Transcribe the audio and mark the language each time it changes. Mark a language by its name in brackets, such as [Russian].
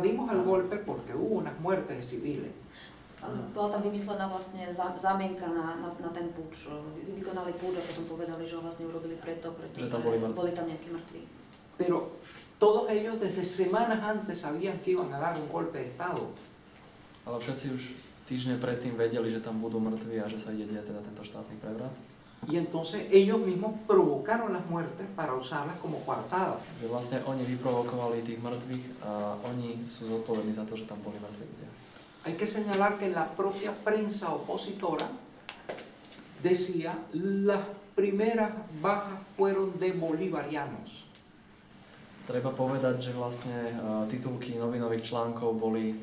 [Spanish] Dimos el golpe porque hubo unas muertes de civiles. [Slovak] Bola tam vymyslená vlastne zámienka na ten púč. Vykonali púč a potom povedali, že ho vlastne urobili preto, pretože boli tam nejakí mŕtvi. [Spanish] Pero todos ellos desde semanas antes sabían que iban a dar un golpe de estado. [Slovak] Ale všetci už týždne predtým vedeli, že tam budú mŕtvi a že sa ide teda tento štátny prevrat. [Spanish] Y entonces ellos mismos provocaron las muertes para usarlas como coartada. [Slovak] Že vlastne oni vyprovokovali tých mŕtvych a oni sú zodpovední za to, že tam boli mŕtvi ľudia. [Spanish] Hay que señalar que la propia prensa opositora decía las primeras bajas fueron de bolivarianos. [Slovak] Treba povedať, že vlastne titulky novinových článkov boli